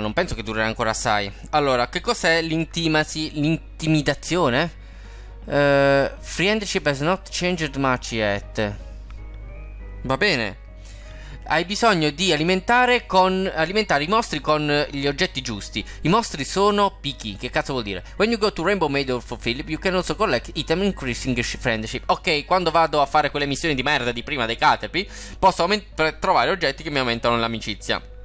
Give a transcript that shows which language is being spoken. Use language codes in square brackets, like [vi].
[it] Non penso che durerà ancora assai. Allora, che cos'è l'intimacy? L'intimidazione? [en] Friendship has not changed much yet. [it] Va bene. Hai bisogno di alimentare i mostri con gli oggetti giusti. I mostri sono picky. Che cazzo vuol dire? [en] When you go to Rainbow Meadow for Philip, you can also collect item increasing friendship. [it] Ok, quando vado a fare quelle missioni di merda di prima dei Caterpie, posso trovare oggetti che mi aumentano l'amicizia.